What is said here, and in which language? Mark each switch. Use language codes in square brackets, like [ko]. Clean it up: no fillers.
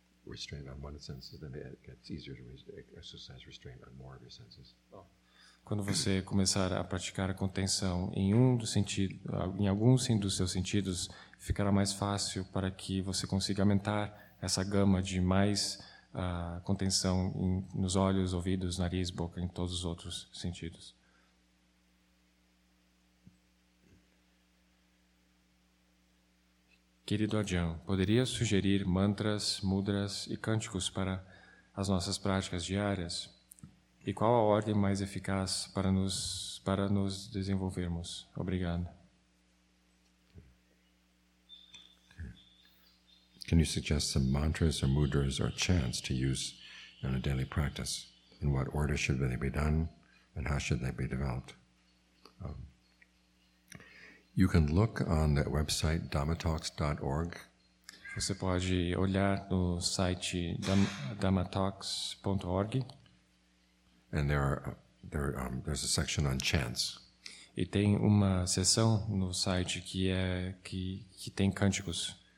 [en] Restraint on one of your senses, then it gets easier to exercise restraint on more of your senses. [pt] Quando você começar a praticar a contenção em um dos sentidos, em alguns dos seus sentidos, ficará mais fácil para que você consiga aumentar essa gama de mais contenção nos olhos, ouvidos, nariz, boca, em todos os outros sentidos. Querido Ajahn, poderia sugerir mantras, mudras e cânticos para as nossas práticas diárias? E qual a ordem mais eficaz para nos desenvolvermos? Obrigado. [en] Can you suggest some mantras or mudras or chants to use in a daily practice? In what order should they be done and how should they be developed? You can look on the website dhammatalks.org. [pt] Você pode olhar no site dhammatalks.org. [en] And there's a section on chants. [pt] E tem uma seção no site que tem cânticos.